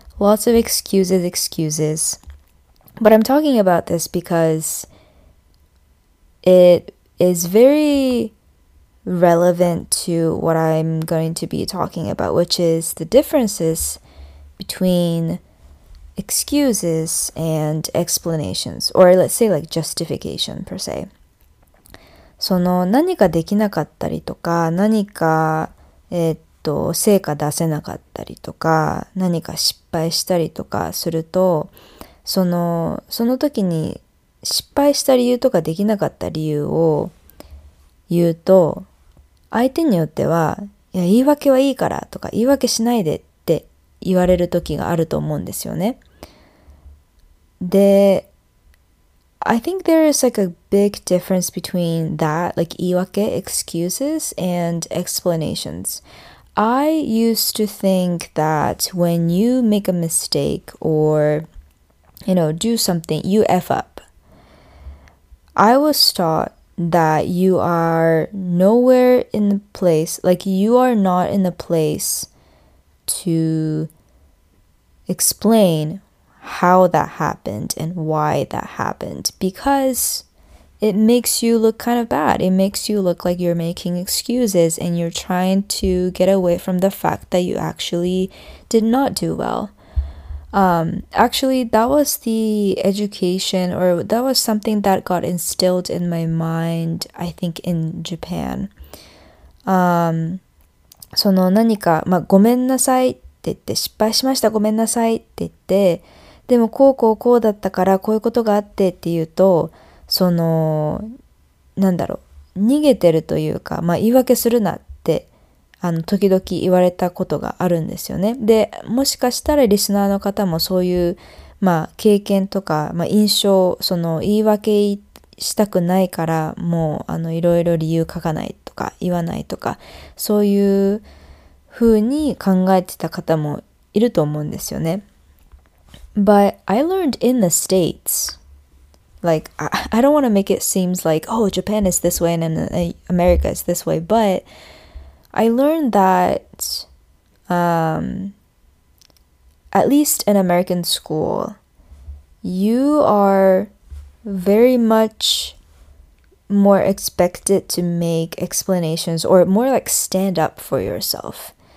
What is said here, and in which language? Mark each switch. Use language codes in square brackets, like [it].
[en] Lots of excuses. But I'm talking about this because it is very relevant to what I'm going to be talking about, which is the differences between excuses and explanations, or let's say like justification per se. [ja] その何かできなかったりとか、何か成果出せなかったりとか、何か失敗したりとかすると、その時に失敗した理由とかできなかった理由を言うと、相手によっては、いや、言い訳はいいからとか、言い訳しないでって言われる時があると思うんですよね。 [en] で、I think there is like a big difference between that, like 言い訳、excuses, and explanations. I used to think that when you make a mistake ordo something, you F up. I was taught that you are nowhere in the place, like you are not in the place to explain how that happened and why that happened, because it makes you look kind of bad. It makes you look like you're making excuses and you're trying to get away from the fact that you actually did not do well. Actually, that was the education, or that was something that got instilled in my mind, I think, in Japan. [ja] その何か、まあ、ごめんなさいって言って、失敗しました、ごめんなさいって言って、でもこうこうこうだったから、こういうことがあってっていうと、その、なんだろう、逃げてるというか、まあ、言い訳するなって、時々言われたことがあるんですよね。で、もしかしたらリスナーの方もそういう、まあ、経験とか、まあ、印象、その言い訳したくないからもういろいろ理由書かないとか言わないとか、そういうふうに考えてた方もいると思うんですよね。 [en] But I learned in the States, like I don't want to make it seems like, oh, Japan is this way and America is this way, butI learned that, at least in American school, you are very much more expected to make explanations, or more like stand up for yourself.